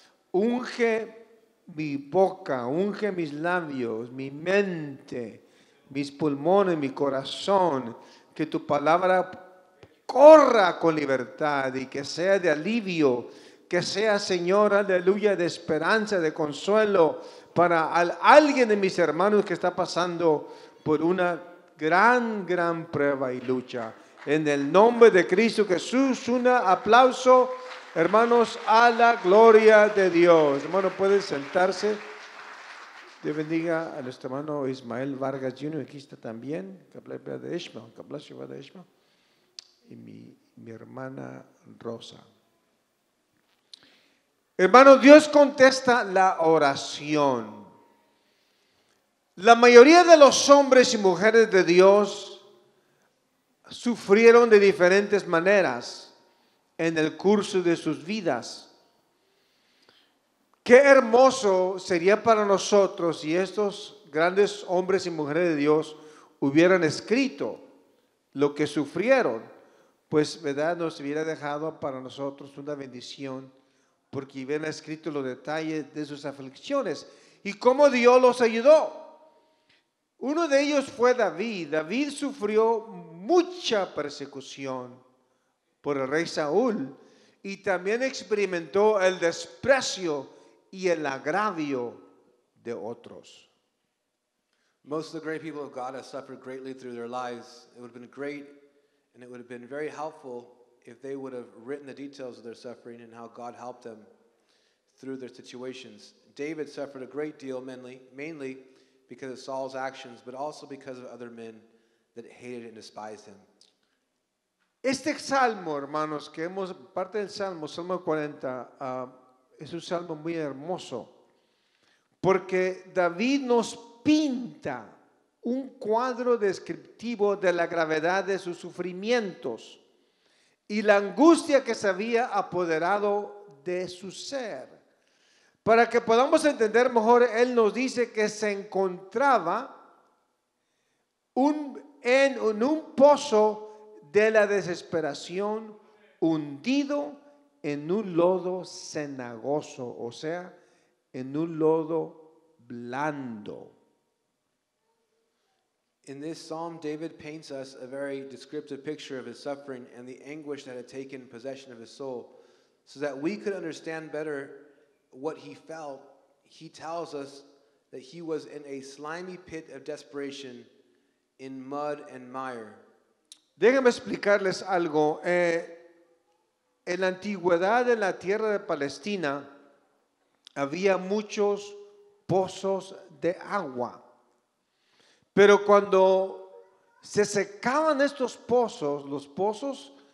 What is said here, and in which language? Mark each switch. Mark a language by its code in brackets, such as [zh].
[es] Unge mi boca, unge mis labios, mi mente, mis pulmones, mi corazón, que tu palabra corra con libertad y que sea de alivio, que sea, Señor, aleluya, de esperanza, de consuelo para alguien de mis hermanos que está pasando por una gran, gran prueba y lucha. En el nombre de Cristo Jesús, un aplauso, hermanos, a la gloria de Dios. Hermano, pueden sentarse. Dios bendiga a nuestro hermano Ismael Vargas Jr., aquí está también. [en] Que bless you, brother Ishmael. [es] Y mi hermana Rosa. Hermano, Dios contesta la oración. La mayoría de los hombres y mujeres de Dios sufrieron de diferentes maneras en el curso de sus vidas. Qué hermoso sería para nosotros si estos grandes hombres y mujeres de Dios hubieran escrito lo que sufrieron. Pues, ¿verdad?, nos hubiera dejado para nosotros una bendición porque hubieran escrito los detalles de sus aflicciones y cómo Dios los ayudó. Uno de ellos fue David. David sufrió mucha persecución por el rey Saúl y también experimentó el desprecio y el agravio de otros. [en] Most of the great people of God have suffered greatly through their lives. It would have been great. And it would have been very helpful if they would have written the details of their suffering and how God helped them through their situations. David suffered a great deal, mainly because of Saul's actions, but also because of other men that hated and despised him. [es] Este salmo, hermanos, que hemos, parte del salmo, Salmo 40, es un salmo muy hermoso, porque David nos pinta un cuadro descriptivo de la gravedad de sus sufrimientos y la angustia que se había apoderado de su ser. Para que podamos entender mejor, él nos dice que se encontraba en un pozo de la desesperación, hundido en un lodo cenagoso, o sea, en un lodo blando. [en] In this psalm, David paints us a very descriptive picture of his suffering and the anguish that had taken possession of his soul. So that we could understand better what he felt, he tells us that he was in a slimy pit of desperation in mud and mire. [es] Déjame explicarles algo. En la antigüedad, en la tierra de Palestina, había muchos pozos de agua. Pero cuando se secaban estos pozos, los pozos